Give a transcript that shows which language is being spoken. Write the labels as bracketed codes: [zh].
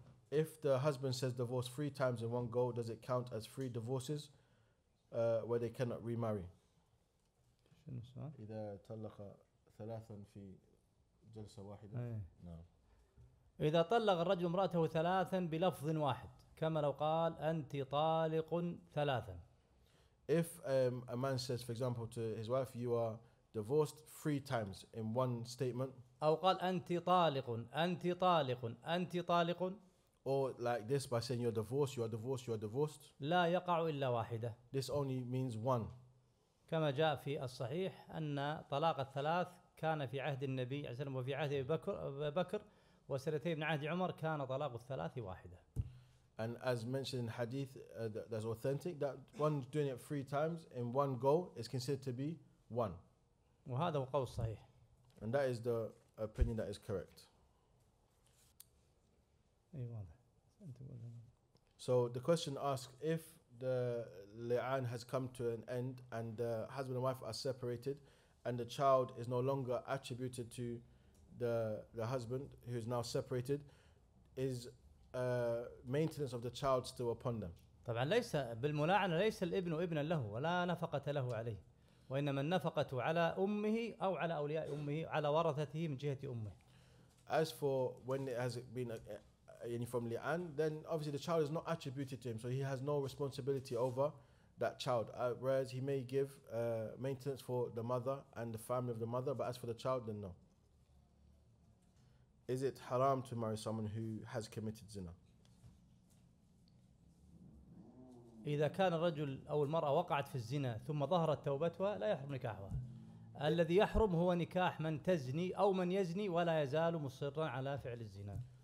[en] If the husband says divorce 3 times in one go, does it count as 3 divorces where they cannot remarry? [ar] إذا طلق ثلاثا في جلسة واحدة. إذا طلق الرجل امرأته 3 بلفظ واحد كما لو قال أنت طالق 3. [en] If a man says, for example, to his wife, you are divorced 3 times in one statement. [ar] أو قال أنت طالق, أنت طالق, أنت طالق. [en] Or like this by saying you're divorced, you are divorced, you are divorced. [ar] لا يقع إلا واحدة. [en] This only means one. [ar] كما جاء في الصحيح أن طلاق 3 كان في عهد النبي عليه وسلم وفي عهد أبي بكر وسنتي ابن عهد عمر كان طلاق 3 واحدة. [en] And as mentioned in hadith that's authentic, that one doing it 3 times in one go is considered to be one. [ar] وهذا هو قول صحيح. [en] And that is the opinion that is correct. So the question asks, if the li'an has come to an end and the husband and wife are separated and the child is no longer attributed to the husband who is now separated, is maintenance of the child still upon them? [ar] طبعا ليس بالملاعنة, ليس الابن ابنا له ولا نفقة له عليه, وإنما النفقة على أمه أو على أولياء أمه على ورثته من جهة أمه. [en] As for when it has been any from li'an, then obviously the child is not attributed to him, so he has no responsibility over that child, whereas he may give maintenance for the mother and the family of the mother, but as for the child, then no. Is it haram to marry someone who has committed zina? [ar] إذا كان الرجل أو المرأة وقعت في الزنا ثم ظهرت توبتها لا يحرم نكاحها. الذي يحرم هو نكاح من تزني أو من يزني ولا يزال مصرا على فعل الزنا.